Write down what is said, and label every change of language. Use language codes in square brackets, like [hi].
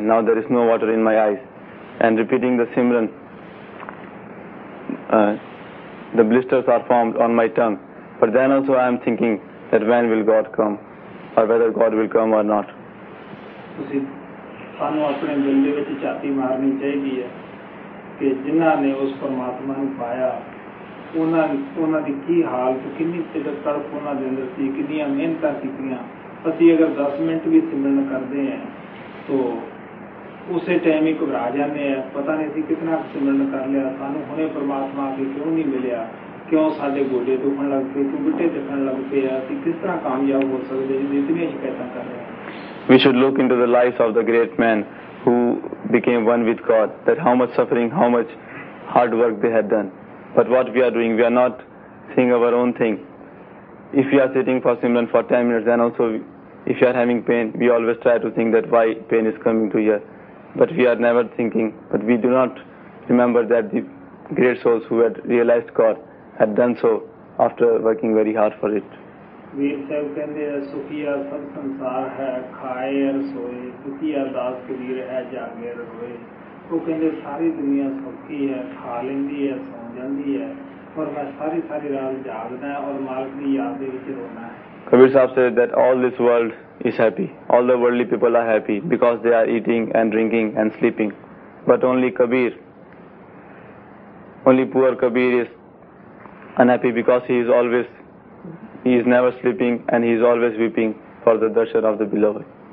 [en] Now there is no water in my eyes. And repeating the Simran, the blisters are formed on my tongue. But then also I am thinking that when will God come, or whether God will come or not. [pa] ਕਿ ਜਿਨ੍ਹਾਂ ਨੇ ਉਸ ਪਰਮਾਤਮਾ ਨੂੰ ਪਾਇਆ ਉਹਨਾਂ ਉਹਨਾਂ ਦੀ ਕੀ ਹਾਲਤ ਕਿੰਨੀ ਤੜਪ ਉਹਨਾਂ ਦੇ ਅੰਦਰ ਸੀ ਕਿੰਨੀਆਂ ਮਿਹਨਤਾਂ ਕੀਤੀਆਂ ਅਸੀਂ ਅਗਰ 10 ਮਿੰਟ ਵੀ ਸਿਮਰਨ ਕਰਦੇ ਹਾਂ ਤੋ ਉਸੇ ਟਾਈਮ ਹੀ ਘਬਰਾ ਜਾਂਦੇ ਹਾਂ, ਪਤਾ ਨਹੀਂ ਅਸੀਂ ਕਿਤਨਾ ਸਿਮਰਨ ਕਰ ਲਿਆ, ਸਾਨੂੰ ਹੁਣੇ ਪਰਮਾਤਮਾ ਅੱਗੇ ਕਿਉਂ ਨਹੀਂ ਮਿਲਿਆ, ਕਿਉਂ ਸਾਡੇ ਗੋਡੇ ਦੁਖਣ ਲੱਗ ਪਏ, ਕਿਉਂ ਗਿੱਟੇ ਦਿਖਣ ਲੱਗ ਪਏ ਆ, ਅਸੀਂ ਕਿਸ ਤਰ੍ਹਾਂ ਕਾਮਯਾਬ ਹੋ ਸਕਦੇ ਜੀ, ਇਤਨੀਆਂ ਸ਼ਿਕਾਇਤਾਂ ਕਰ ਰਹੇ ਹਾਂ। [en] We should look into the lives of the great men who became one with God, that how much suffering, how much hard work they had done. But what we are doing, we are not seeing our own thing. If we are sitting for Simran for 10 minutes, then also if you are having pain, we always try to think that why pain is coming to here. But we are never thinking, but we do not remember that the great souls who had realized God had done so after working very hard for it. [pa] ਵੀਰ ਸਾਹਿਬ ਕਹਿੰਦੇ ਆ, ਸੁਖੀਆ ਸਭ ਸੰਸਾਰ ਹੈ, ਖਾਏ ਅਰ ਸੋਏ, ਦੁਖੀ ਅਰਦਾਸ ਕਬੀਰ ਹੈ, ਜਾਗੇ ਅਰ ਰੋਏ। ਉਹ ਕਹਿੰਦੇ ਸਾਰੀ ਦੁਨੀਆ ਸੁਖੀ ਹੈ, ਖਾ ਲੈਂਦੀ ਹੈ, ਸੌਂ ਜਾਂਦੀ ਹੈ, ਪਰ ਮੈਂ ਸਾਰੀ ਸਾਰੀ ਰਾਤ ਜਾਗਦਾ ਔਰ ਮਾਲਕ ਦੀ ਯਾਦ ਦੇ ਵਿੱਚ ਰੋਣਾ ਹੈ। [en] Kabir Sahib said that all this world is happy, all the worldly people are happy because they are eating and drinking and sleeping, but only Kabir, only poor Kabir is unhappy because he is never sleeping and he is always weeping for the darshan of the beloved.